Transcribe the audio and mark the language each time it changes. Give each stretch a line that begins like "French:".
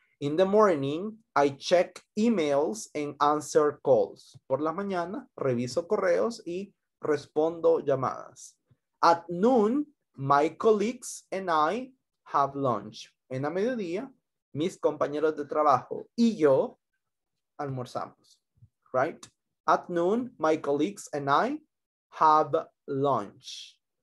English: In the morning, I check emails and answer calls.
Spanish: Por la mañana, reviso correos y respondo llamadas.
English: At noon, my colleagues and I have lunch.
Spanish: En la mediodía, mis compañeros de trabajo y yo almorzamos.
English: Right? At noon, my colleagues and I have lunch.